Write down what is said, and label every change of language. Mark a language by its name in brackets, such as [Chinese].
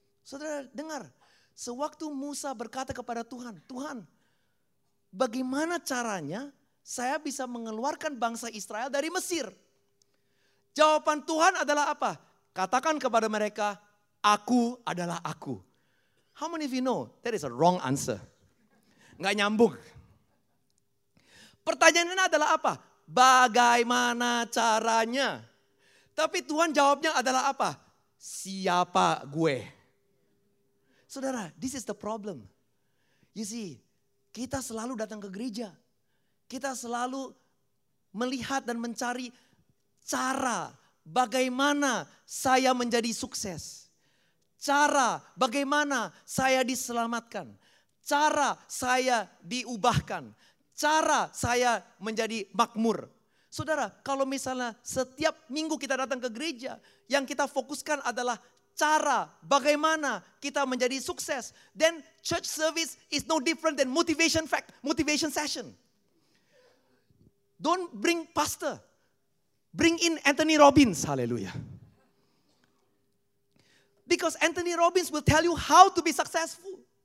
[Indonesian] Saudara, dengar, sewaktu Musa berkata kepada Tuhan, Tuhan, bagaimana caranya saya bisa mengeluarkan bangsa Israel dari Mesir? Jawaban Tuhan adalah apa? Katakan kepada mereka, aku adalah aku. [English] How many of you know that is a wrong answer? [Indonesian] Enggak nyambung. Pertanyaannya adalah apa? Bagaimana caranya? Tapi Tuhan jawabnya adalah apa? Siapa gue? [English] Saudara, this is the problem. You see, [Indonesian] kita selalu datang ke gereja. Kita selalu melihat dan mencari cara bagaimana saya menjadi sukses. Cara bagaimana saya diselamatkan. Cara saya diubahkan. Cara saya menjadi makmur. Saudara, kalau misalnya setiap minggu kita datang ke gereja, yang kita fokuskan adalah cara bagaimana kita menjadi sukses. [English] Then church service is no different than motivation session. Don't bring pastor. Bring in Anthony Robbins. Hallelujah. Because Anthony Robbins will tell you how to be successful.